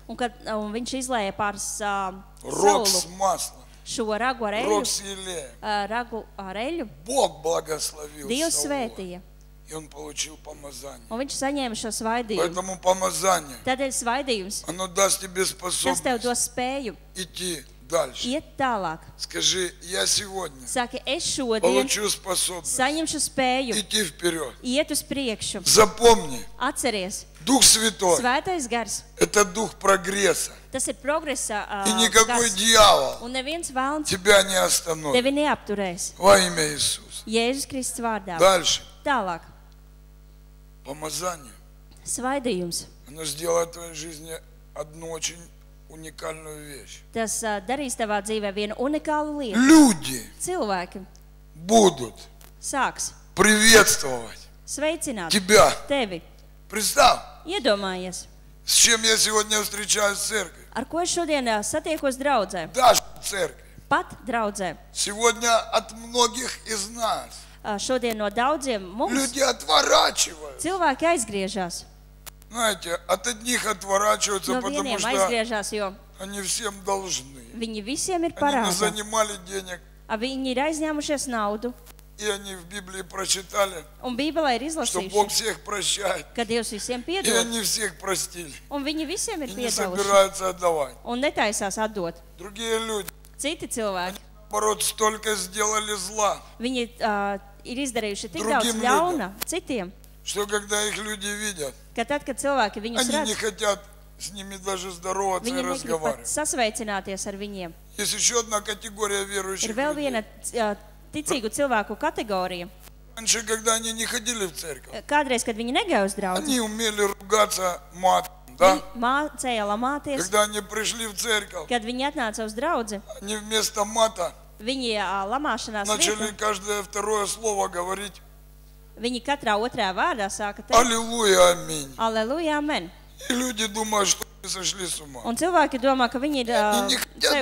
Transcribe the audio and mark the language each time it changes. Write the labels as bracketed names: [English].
[Latvian] Un kad un viņš izlēja pār Saulu. [Russian] Rogs масло. [Latvian] Šo ragu ar eļļu. [Russian] Rogs еле. [Latvian] Ragu ar eļļu. [Russian] Бог благословил. [Latvian] Dievs svētīja. [Russian] И он получил помазание. [Latvian] Un viņš saņēma šo svaidījumu. [Russian] Поэтому помазание. [Latvian] Tādēļ svaidījums. [Russian] Оно даст тебе способность. [Latvian] Tas tev dos spēju. [Russian] Идти дальше. [Latvian] Iet tālāk. [Russian] Скажи, я сегодня. [Latvian] Saki, es šodien. [Russian] Получу способность. [Latvian] Saņemšu spēju. [Russian] Идти вперёд. [Latvian] Iet uz priekšu. [Russian] Запомни. [Latvian] Atceries. [Russian] Дух Святой. [Latvian] Svētais Gars. [Russian] Это дух прогресса. [Latvian] Tas ir progresa [Russian] И никакой дьявол. [Latvian] Un neviens velns. [Russian] Тебя не остановит. [Latvian] Tevi neapturēs. [Russian] Во имя Иисуса. [Latvian] Jēzus Kristus vārdā. [Russian] Дальше. [Latvian] Tālāk. [Russian] Помазание. [Latvian] Svaidījums. [Russian] Оно сделает твоей жизни одну очень уникальную вещь. [Latvian] Tas darīs tavā dzīvē vienu unikālu lietu. [Russian] Люди. [Latvian] Cilvēki. [Russian] Будут. [Latvian] Sāks. [Russian] Приветствовать. [Latvian] Sveicināt. [Russian] Тебя. [Latvian] Tevi. [Russian] Представь. [Latvian] Iedomājies. [Russian] С чем я сегодня встречаюсь в церкви? [Latvian] Ar ko es šodien satiekos draudzē? [Russian] Даже в церкви. [Latvian] Pat draudzē. [Russian] Сегодня от многих из нас. [Latvian] Šodien no daudziem mums [Russian] люди отворачиваются. [Latvian] Cilvēki aizgriežas. [Russian] Знаете, от одних отворачиваются, [Latvian] no [Russian] потому что [Latvian] aizgriežas, jo [Russian] они всем должны. [Latvian] Viņi visiem ir parādi. [Russian] Они занимали денег. [Latvian] А viņi ir aizņēmušies naudu. [Russian] И они в Библии прочитали. [Latvian] Un Bībelē ir izlasījuši. [Russian] Что Бог всех прощает. [Latvian] Ka Dievs visiem piedod. [Russian] И они всех простили. [Latvian] Un viņi visiem ir piedoduši. [Russian] И не собираются отдавать. [Latvian] Un netaisās atdot. [Russian] Другие люди. [Latvian] Citi cilvēki. [Russian] Наоборот, столько сделали зла. [Latvian] Viņi ir izdarījuši tik daudz ļauna citiem. [Russian] Что когда их люди видят? [Latvian] Kad cilvēki viņus redz. [Russian] Они не хотят с ними даже здороваться [Latvian] viņi [Russian] и разговаривать. [Latvian] Viņi sasveicināties ar viņiem. [Russian] Есть ещё одна категория верующих. [Latvian] Ir vēl viena ticīgu cilvēku kategorija. [Russian] Раньше, когда они не ходили в церковь. [Latvian] Kādreiz, kad viņi negāja uz draudzi. [Russian] Они умели ругаться матом, да? Мацея ломаties. Когда они пришли в церковь. [Latvian] Kad viņi atnāca uz draudzi. [Russian] Они вместо мата. [Latvian] Viņi lamāšanās vietā. [Russian] Начали каждое второе слово говорить. [Latvian] Viņi katrā otrajā vārdā sāka teikt. [Russian] Аллилуйя, аминь. Аллилуйя, амен. И люди думают, что они сошли с ума. [Latvian] Un cilvēki domā, ka viņi ir